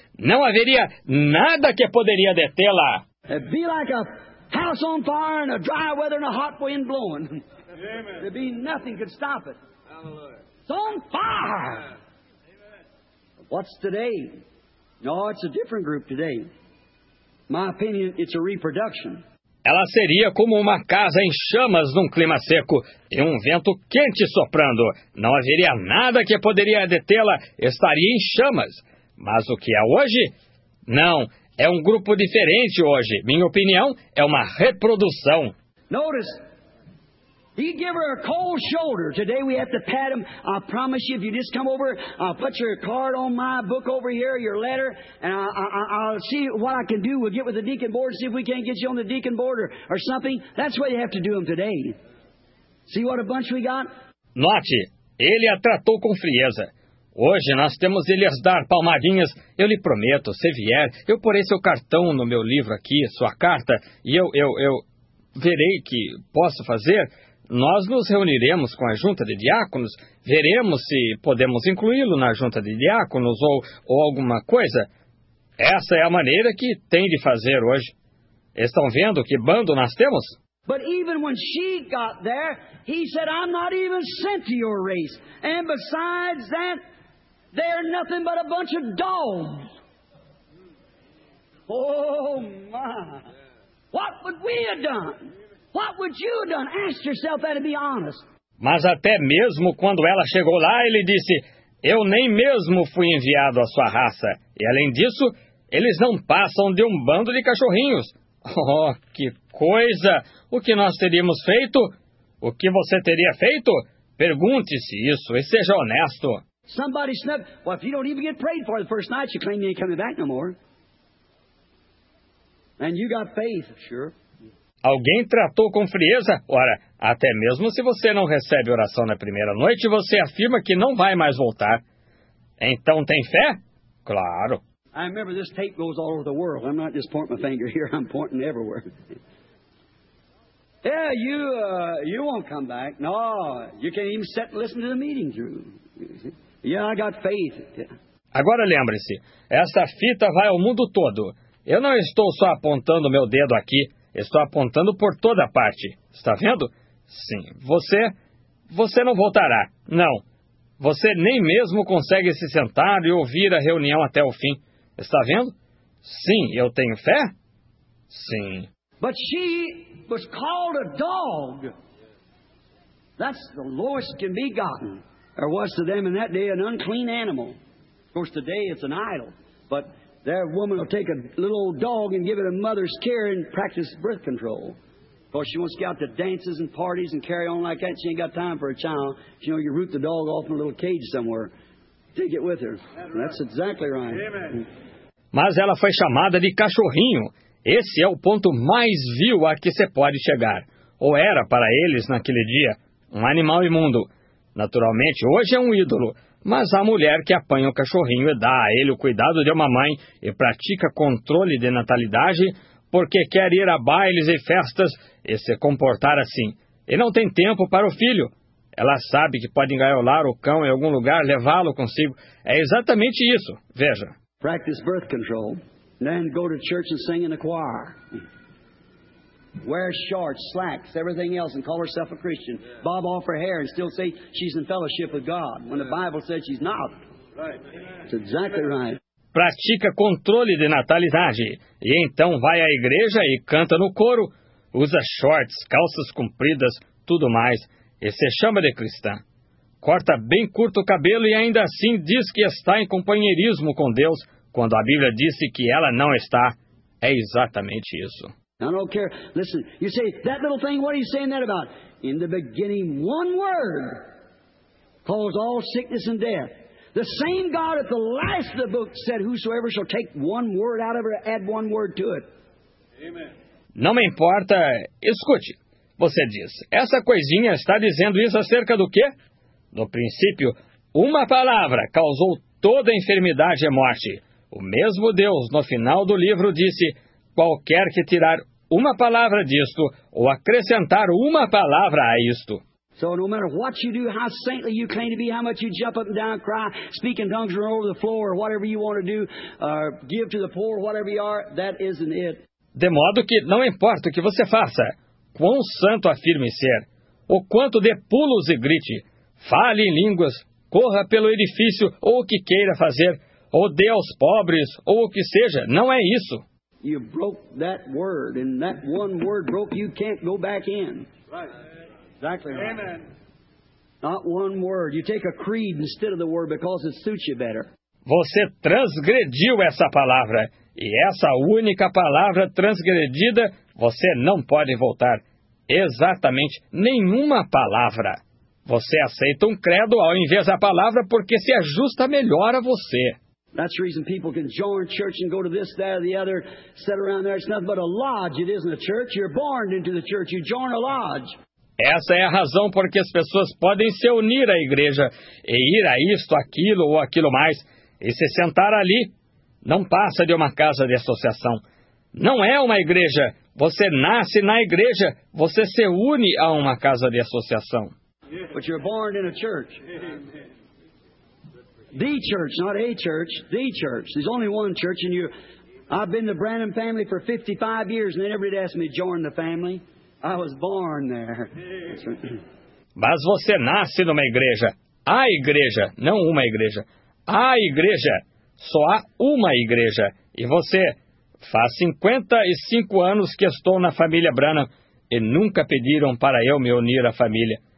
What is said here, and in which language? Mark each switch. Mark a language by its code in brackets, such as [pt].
[pt] Não haveria nada que poderia detê-la. [en] It'd be like a house on fire and a dry weather and a hot wind blowing. Amen. There'd be nothing could stop it. Hallelujah. It's on fire. Amen. What's today? No, it's a different group today. My opinion, it's a reproduction. [pt] ela seria como uma casa em chamas num clima seco e um vento quente soprando. Não haveria nada que poderia detê-la, estaria em chamas. Mas o que é hoje? Não, é um grupo diferente hoje. Minha opinião é uma reprodução. [en] Notice, he gave her a cold shoulder. Today we have to pat him. I promise you, if you just come over, I'll put your card on my book over here, your letter, and I'll see what I can do. We'll get with the deacon board, see if we can't get you on the deacon board or something. That's what you have to do him today. See what a bunch we got? [pt] Note, ele a tratou com frieza. Hoje nós temos de lhes dar palmadinhas. Eu lhe prometo, se vier, eu porei seu cartão no meu livro aqui, sua carta, e eu verei que posso fazer. Nós nos reuniremos com a junta de diáconos, veremos se podemos incluí-lo na junta de diáconos ou alguma coisa. Essa é a maneira que tem de fazer hoje. Estão vendo que bando nós temos? [en] But even when she got there, he said, I'm not even sent to your race. And besides that, they're nothing but a bunch of dogs. Oh, my. What would we have done? What would you have done? Ask yourself that and be honest. [pt] Mas até mesmo quando ela chegou lá, ele disse, eu nem mesmo fui enviado à sua raça. E além disso, eles não passam de um bando de cachorrinhos. Oh, que coisa! O que nós teríamos feito? O que você teria feito? Pergunte-se isso e seja honesto. [en] Somebody snuck. Well, if you don't even get prayed for the first night, you claim you ain't coming back no more. And you got faith, sure. [pt] Alguém tratou com frieza? Ora, até mesmo se você não recebe oração na primeira noite, você afirma que não vai mais voltar. Então tem fé? Claro. [en] I remember this tape goes all over the world. I'm not just pointing my finger here, I'm pointing everywhere. Yeah, you won't come back. No, you can't even sit and listen to the meeting, Drew. Yeah, I got faith. [pt] Agora lembre-se, essa fita vai ao mundo todo. Eu não estou só apontando meu dedo aqui, estou apontando por toda parte. Está vendo? Sim, você não voltará. Não, você nem mesmo consegue se sentar e ouvir a reunião até o fim. Está vendo? Sim, eu tenho fé? Sim. [en] But she was called a dog. That's the lowest can be gotten. There was to them in that day an unclean animal. Of course, today it's an idol. But that woman will take a little old dog and give it a mother's care and practice birth control. Of course, she wants to get out to dances and parties and carry on like that. She ain't got time for a child. You know, you root the dog off in a little cage somewhere. Take it with her. That's exactly right. Amen. [pt] Mas ela foi chamada de cachorrinho. Esse é o ponto mais vil a que se pode chegar. Ou era para eles naquele dia, um animal imundo. Naturalmente, hoje é um ídolo. Mas a mulher que apanha o cachorrinho e dá a ele o cuidado de uma mãe e pratica controle de natalidade porque quer ir a bailes e festas e se comportar assim. E não tem tempo para o filho. Ela sabe que pode engaiolar o cão em algum lugar, levá-lo consigo. É exatamente isso. Veja. [en] Practice birth control, and then go to church and sing in the choir. Wear shorts, slacks, everything else, and call herself a Christian. Yeah. Bob off her hair and still say she's in fellowship with God, when the Bible says she's not. Right. It's exactly right. [pt] Pratica controle de natalidade, e então vai à igreja e canta no coro. Usa shorts, calças compridas, tudo mais, e se chama de cristã. Corta bem curto o cabelo e ainda assim diz que está em companheirismo com Deus, quando a Bíblia disse que ela não está. É exatamente isso. [en] I don't care. Listen, you say, that little thing, what are you saying that about? In the beginning, one word caused all sickness and death. The same God at the last of the book said, whosoever shall take one word out of it, add one word to it. Amen. [pt] Não me importa. Escute. Você diz, essa coisinha está dizendo isso acerca do quê? No princípio, uma palavra causou toda a enfermidade e morte. O mesmo Deus, no final do livro, disse, qualquer que tirar uma palavra disto, ou acrescentar uma palavra a isto. [en] So no matter what you do, how saintly you claim to be, how much you jump up and down, cry, speak in tongues or over the floor, or whatever you want to do, or give to the poor, whatever you are, that isn't it. [pt] De modo que não importa o que você faça, quão santo afirme ser, ou quanto dê pulos e grite, fale em línguas, corra pelo edifício, ou o que queira fazer, ou dê aos pobres, ou o que seja, não é isso. [en] you broke that word, and that one word broke, you can't go back in. Right. Exactly right. Amen. Not one word. You take a creed instead of the word because it suits you better. [pt] Você transgrediu essa palavra, e essa única palavra transgredida, você não pode voltar. Exatamente nenhuma palavra. Você aceita um credo ao invés da palavra porque se ajusta melhor a você. [en] That's the reason people can join church and go to this, that, or the other, sit around there. It's nothing but a lodge. It isn't a church. You're born into the church. You join a lodge. [pt] Essa é a razão porque as pessoas podem se unir à igreja e ir a isto, aquilo ou aquilo mais e se sentar ali. Não passa de uma casa de associação. Não é uma igreja. Você nasce na igreja. Você se une a uma casa de associação. [en] But you're born in a church. The church, not a church, the church. There's only one church, and you. I've been the Branham family for 55 years, and everybody asked me to join the family. I was born there. [pt] Mas você nasce numa igreja. A igreja, não uma igreja. A igreja. Só há uma igreja. E você? Faz 55 anos que estou na família Branham, e nunca pediram para eu me unir à família.